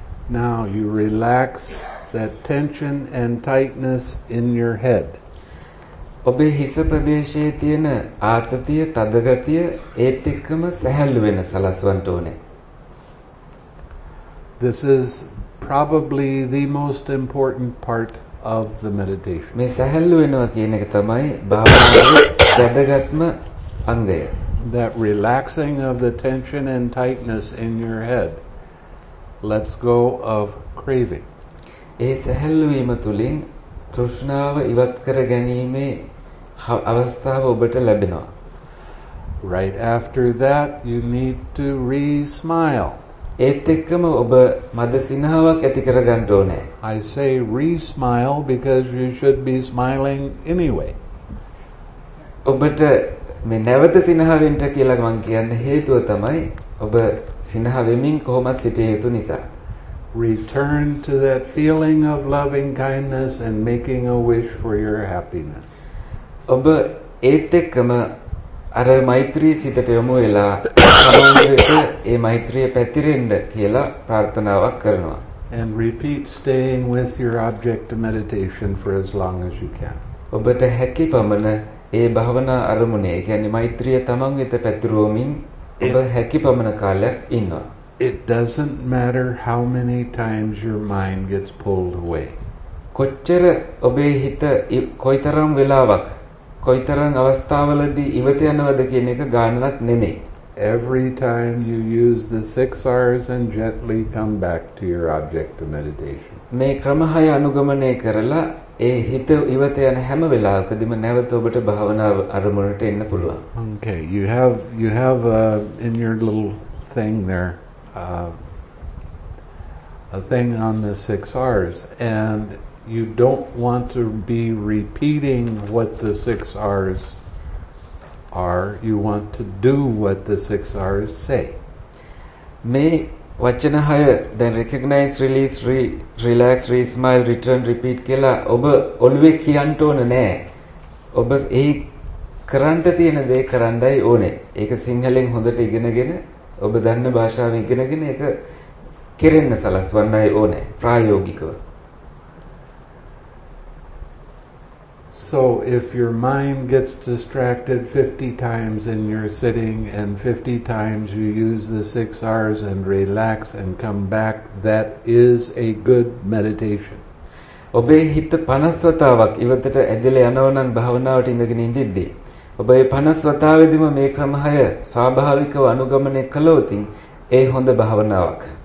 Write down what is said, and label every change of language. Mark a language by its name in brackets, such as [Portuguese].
[English] Now you relax that tension and tightness in your head. [Sinhala] ඔබේ හිස ප්‍රදේශයේ තියෙන ආතතිය, තදගතිය ඒත් එක්කම සැහැල්ලු වෙන සලස්වන්ට ඕනේ. [English] This is probably the most important part of the meditation. [Sinhala] මේ සැහැල්ලු වෙනවා කියන එක තමයි භාවනාවේ වැදගත්ම අංගය. [English] That relaxing of the tension and tightness in your head lets go of craving. [Sinhala] ඒ සැහැල්ලු වීම තුලින් තෘෂ්ණාව ඉවත් කර ගැනීමේ අවස්ථාව ඔබට ලැබෙනවා. [English] Right after that you need to re-smile. [Sinhala] ඒත් එක්කම ඔබ මද සිනහාවක් ඇති කර ගන්න ඕනේ. [English] I say re-smile because you should be smiling anyway. [Sinhala] ඔබට මේ නැවත සිනහවෙන්ට කියලා මම කියන්න හේතුව තමයි ඔබ සිනහවෙමින් කොහොමත් සිටිය යුතු නිසා. [English] Return to that feeling of loving kindness and making a wish for your happiness. [Sinhala] ඔබ ඒත් එක්කම අර මෛත්‍රී සිතට යොමු වෙලා සමන්විත ඒ මෛත්‍රිය පැතිරෙන්න කියලා ප්‍රාර්ථනාවක් කරනවා. [English] And repeat staying with your object of meditation for as long as you can. [Sinhala] ඔබට හැකි පමණ ඒ භවනා අරමුණේ, ඒ කියන්නේ මෛත්‍රිය තමන් වෙත පැතිරුවමින් ඔබ හැකි පමණ කාලයක් ඉන්නවා. [English] It doesn't matter how many times your mind gets pulled away. [Sinhala] කොච්චර ඔබේ හිත කොයිතරම් වෙලාවක් කොයිතරම් අවස්ථාවලදී ඉවත යනවද කියන එක ගානක් නෙමෙයි. [English] Every time you use the six R's and gently come back to your object of meditation. [Sinhala] මේ ක්‍රම හය අනුගමනය කරලා ඒ හිත ඉවත යන හැම වෙලාවකදීම නැවත ඔබට භවනා අරමුණට එන්න පුළුවන්. [English] Okay, you have in your little thing there a thing on the six R's, and you don't want to be repeating what the six R's are. You want to do what the six R's say. [Sinhala] මේ වචන හය දැන් [English] recognize, release, relax, re-smile, return, repeat [Sinhala] කියලා ඔබ ඔළුවේ කියන්න ඕන නෑ. ඔබ ඒ කරන්න තියෙන දේ කරන්නයි ඕනේ. ඒක සිංහලෙන් හොඳට ඉගෙනගෙන ඔබ දන්න භාෂාව ඉගෙනගෙන ඒක කෙරෙන්න සලස්වන්නයි ඕනේ ප්‍රායෝගිකව. [English] So if your mind gets distracted 50 times in your sitting and 50 times you use the 6 R's and relax and come back, that is a good meditation. [Sinhala] ඔබේ හිත 50 වතාවක් ඉවතට ඇදලා යනවා නම් භාවනාවට ඉඳගෙන ඉඳිද්දී ඔබේ 50 වතාවෙදිම මේ ක්‍රමය ස්වාභාවිකව අනුගමනය කළොත් ඒ හොඳ භාවනාවක්.